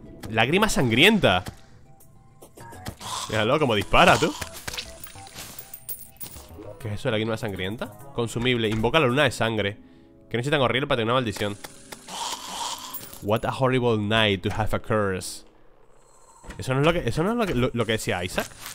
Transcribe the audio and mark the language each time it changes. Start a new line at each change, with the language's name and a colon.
Spanish: Lágrima sangrienta. Míralo, como dispara, tú. ¿Qué es eso de la lágrima sangrienta? Consumible, invoca la luna de sangre. Que no sea tan horrible para tener una maldición.
English: What a horrible night to have a curse.
Spanish: ¿Eso no es lo que, eso no es lo que decía Isaac?